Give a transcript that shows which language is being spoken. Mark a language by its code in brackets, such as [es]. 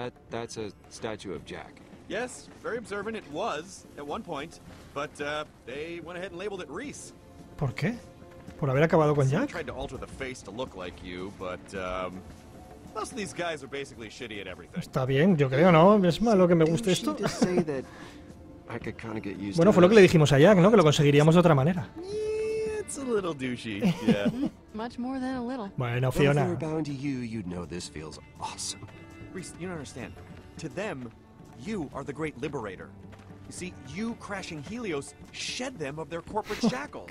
[en] That's a statue of Jack. Yes, very observant. It was at one point, but they went ahead and labeled it Reese. [es] ¿Por qué? Por haber acabado con Jack. [en] They tried to alter the face to look like you, but most of these guys are basically shitty at everything. [es] Está bien, yo creo, ¿no? Es malo que me guste esto. Bueno, fue lo que le dijimos a Jack, ¿no? Que lo conseguiríamos de otra manera. [en] It's a little douchey. Yeah. Much more than a little. [es] Bueno, Fiona. [en] If we were bound to you, you'd know this feels awesome. Reese, you don't understand. To them, you are the great liberator. You see, you crashing Helios shed them of their corporate shackles.